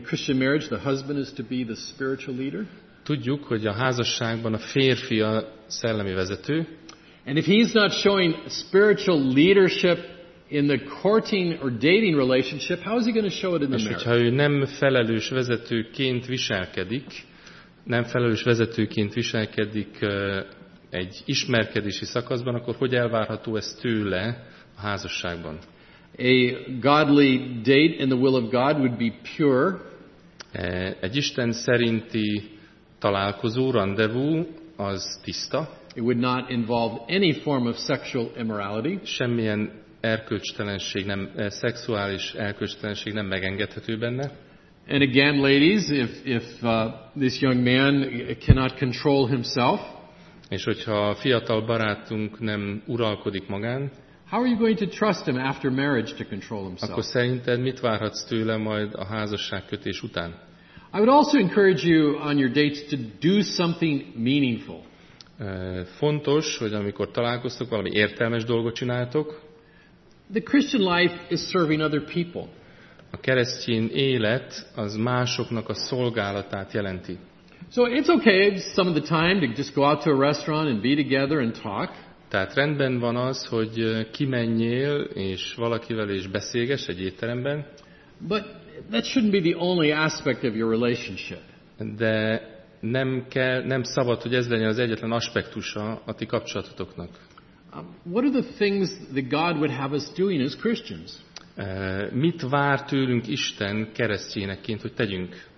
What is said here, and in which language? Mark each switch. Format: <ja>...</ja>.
<en>Christian marriage the husband is to be the spiritual leader.</en> <hu>Tudjuk, hogy a házasságban a férfi a szellemi vezető.</hu> <en>And if he's not showing spiritual leadership in the courting or dating relationship, how is he going to show it in the marriage?</en> <hu>Ha ő nem felelős vezetőként viselkedik, egy ismerkedési szakaszban, akkor hogy elvárható ez tőle a házasságban?</hu> <en>A godly date in the will of God would be pure.</en> <hu>Egy Isten szerinti találkozó, randevú, az tiszta.</hu> <en>It would not involve any form of sexual immorality.</en> <hu>Semmilyen erkölcstelenség nem, szexuális erkölcstelenség nem megengedhető benne.</hu> <en>And again, ladies, if this young man cannot control himself,</en> <hu>és hogyha a fiatal barátunk nem uralkodik magán,</hu> <en>how are you going to trust him after marriage to control himself?</en> <hu>Akkor szerinted mit várhatsz tőle majd a házasságkötés után?</hu> <en>I would also encourage you on your dates to do something meaningful.</en> <hu>Fontos, hogy amikor találkoztok, valami értelmes dolgot csináltok.</hu> <en>The Christian life is serving other people.</en> <hu>A keresztény élet az másoknak a szolgálatát jelenti.</hu> <en>So it's okay some of the time to just go out to a restaurant and be together and talk.</en> <hu>Tehát rendben van az, hogy kimenjél és valakivel is beszélgess egy étteremben.</hu> <en>But that shouldn't be the only aspect of your relationship.</en> <hu>De nem kell, nem szabad, hogy ez legyen az egyetlen aspektusa a ti kapcsolatotoknak.</hu> <en>What are the things that God would have us doing as Christians?</en> <hu>Mit vár tőlünk Isten keresztényekként, hogy tegyünk?</hu>